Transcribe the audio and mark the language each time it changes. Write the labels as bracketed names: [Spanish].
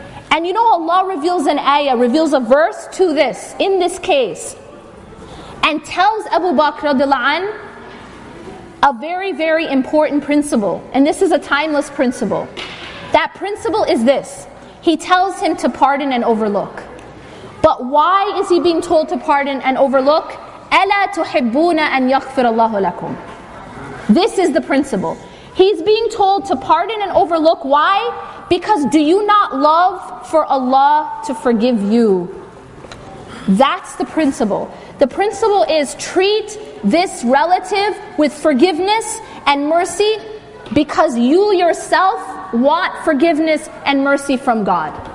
[English] And you know, Allah reveals an ayah, reveals a verse to this, in this case, and tells Abu Bakr radiallahu anhu a very, very important principle. And this is a timeless principle. That principle is this. He tells him to pardon and overlook. But why is he being told to pardon and overlook? [Arabic] أَلَا تُحِبُّونَ أَنْ يَغْفِرَ اللَّهُ لَكُمْ [English] This is the principle. He's being told to pardon and overlook. Why? Because do you not love for Allah to forgive you? That's the principle. The principle is treat this relative with forgiveness and mercy because you yourself want forgiveness and mercy from God.